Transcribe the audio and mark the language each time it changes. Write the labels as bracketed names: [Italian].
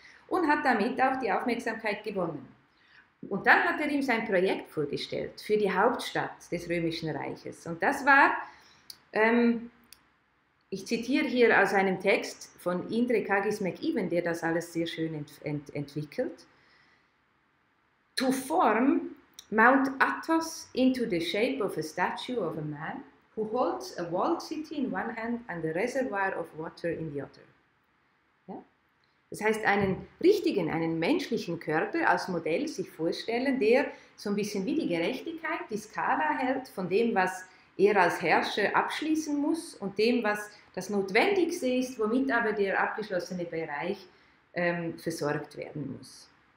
[German] Und hat damit auch die Aufmerksamkeit gewonnen. Und dann hat er ihm sein Projekt vorgestellt für die Hauptstadt des Römischen Reiches. Und das war, ich zitiere hier aus einem Text von Indre Kagis McEwan, der das alles sehr schön entwickelt. [English] To form Mount Athos into the shape of a statue of a man who holds a walled city in one hand and a reservoir of water in the other. [German] Das heißt, einen richtigen, einen menschlichen Körper als Modell sich vorstellen, der so ein bisschen wie die Gerechtigkeit, die Skala hält von dem, was er als Herrscher abschließen muss und dem, was das Notwendigste ist, womit aber der abgeschlossene Bereich versorgt werden muss.